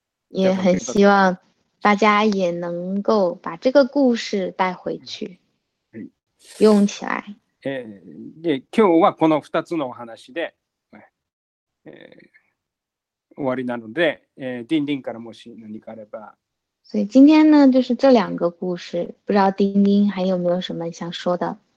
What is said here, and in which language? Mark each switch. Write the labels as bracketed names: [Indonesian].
[Chinese] 也很希望大家也能够把这个故事带回去，用起来。 [Japanese] で今日はこの2つのお話で、終わりなので、ディンディンからもし何かあれば。 [Chinese] 所以今天呢就是这两个故事，不知道丁丁还有没有什么想说的？